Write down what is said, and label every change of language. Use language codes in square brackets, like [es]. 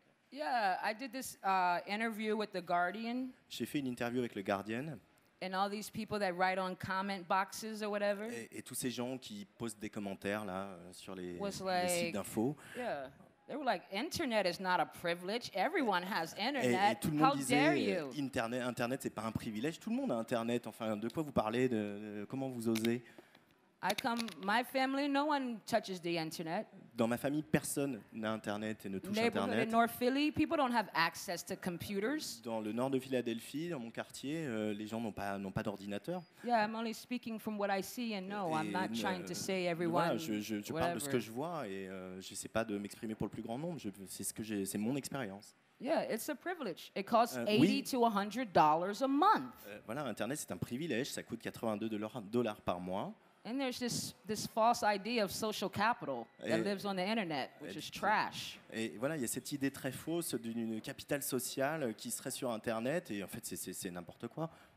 [en] Yeah, I did this interview with the Guardian. [fr] J'ai fait une interview avec le Guardian. [en] And all these people that write on comment boxes or whatever. [fr] Et tous ces gens qui postent des commentaires là sur les sites d'info. [en] Yeah. They were like, internet is not a privilege. Everyone has internet. [fr] Et tout le monde disait, internet c'est pas un privilège. Tout le monde a internet. Enfin, de quoi vous parlez? Comment vous osez? [en] My family, no one touches the internet. [fr] Dans ma famille, personne n'a internet et ne touche internet. [en] In North Philly, people don't have access to computers. [fr] Dans le nord de Philadelphie, dans mon quartier, les gens n'ont pas d'ordinateur. [en] Yeah, I'm only speaking from what I see and know. I'm not trying to say everyone. [fr] Voilà, je parle de ce que je vois et j'essaie pas de m'exprimer pour le plus grand nombre. C'est mon expérience. [en] Yeah, it's a privilege. It costs $80 to $100 a month. [fr] Voilà, internet c'est un privilège. Ça coûte $82 par mois. [en] And there's this false idea of social capital that lives on the internet, which is trash. [fr] Et voilà, il y a cette idée très fausse d'une capitale sociale qui serait sur internet, et en fait, c'est n'importe quoi.